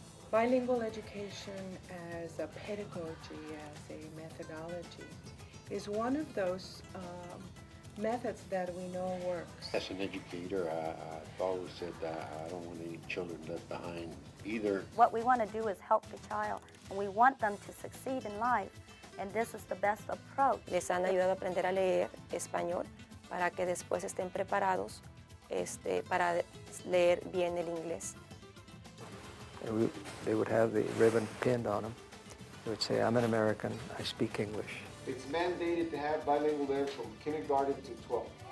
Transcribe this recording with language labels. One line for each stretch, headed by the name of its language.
English: Bilingual education as a pedagogy, as a methodology, is one of those methods that we know works. As an educator, I've always said that I don't want any children left behind either. What we want to do is help the child, and we want them to succeed in life, and this is the best approach.
Spanish: Les han ayudado a aprender a leer español para que después estén preparados para leer bien el inglés.
English: They would have the ribbon pinned on them. They would say, I'm an American, I speak English. It's mandated to have bilingual there from kindergarten to 12.